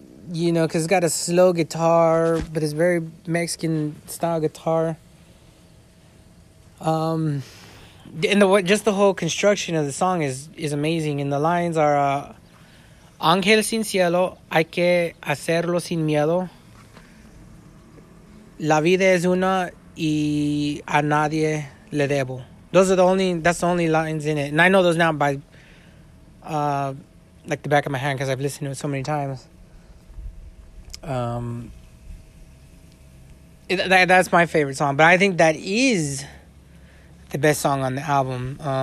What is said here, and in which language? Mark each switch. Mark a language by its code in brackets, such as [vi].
[en] you know, because it's got a slow guitar, but it's very Mexican style guitar, and just the whole construction of the song is amazing, and the lines are, [es] "Ángel sin cielo, hay que hacerlo sin miedo." La vida es una y a nadie le debo. [en] Those are the only, that's the only lines in it. And I know those now by, like the back of my hand because I've listened to it so many times. That's my favorite song. But I think that is the best song on the album.